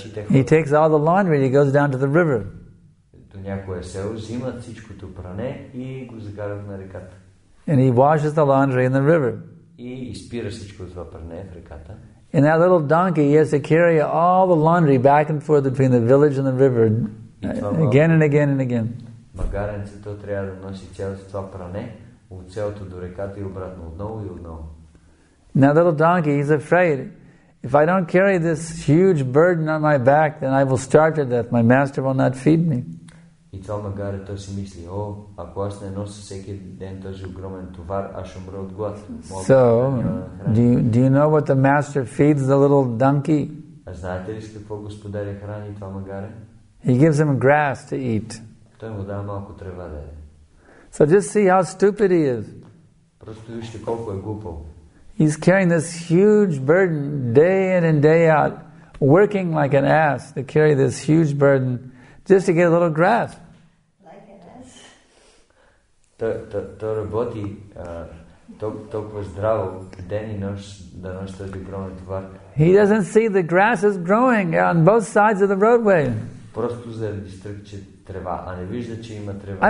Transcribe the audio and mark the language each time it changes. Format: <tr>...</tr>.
<en>He takes all the laundry, he goes down to the river. And he washes the laundry in the river. And that little donkey, he has to carry all the laundry back and forth between the village and the river, Again and again and again.</en> <bg>Магаренцето трябва да носи цялото това пране от селото до реката и обратно отново и отново.</bg> <en>Now the little donkey is afraid. If I don't carry this huge burden on my back, then I will starve to death. My master will not feed me.</en> <bg>И това магарето си мисли, о, ако аз не носа всеки ден този огромен товар, аз ще умра от глад.</bg> <en>So, do you know what the master feeds the little donkey?</en> <bg>А знаете ли какво господаря храни това магаре?</bg> <en>He gives him grass to eat.</en> <bg>Той му дава малко трева да е.</bg> <en>So just see how stupid he is.</en> <bg>Просто вижте колко е глупо.</bg> <en>He's carrying this huge burden day in and day out, working like an ass to carry this huge burden just to get a little grass. Like an ass.</en> <bg>То работи толкова здраво ден и нощ да носи този огромен товар.</bg> <en>He doesn't see the grass is growing on both sides of the roadway.</en> <bg>Просто заради страх, че трева, а не вижда, че има трева.</bg>